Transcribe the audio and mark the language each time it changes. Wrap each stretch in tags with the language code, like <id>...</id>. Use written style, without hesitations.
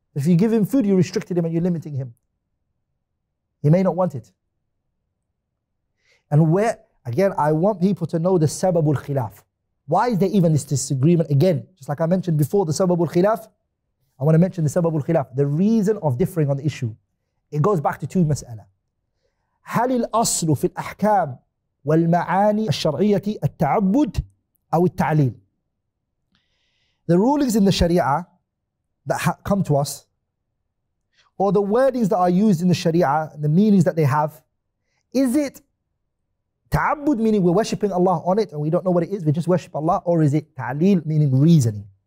<en>If you give him food, you're restricting him and you're limiting him. He may not want it. And where, again, I want people to know the sababul khilaf. Why is there even this disagreement? Again, just like I mentioned before, the sababul khilaf, I want to mention the sababul khilaf, the reason of differing on the issue. It goes back to two mas'ala.</en> <ar>هل الأصل في الأحكام والمعاني الشرعية التعبد أو التعليل?</ar> <en>The rulings in the Sharia that come to us, or the wordings that are used in the Sharia, the meanings that they have, is it ta'abbud, meaning we're worshipping Allah on it and we don't know what it is, we just worship Allah, or is it ta'leel, meaning reasoning?</en>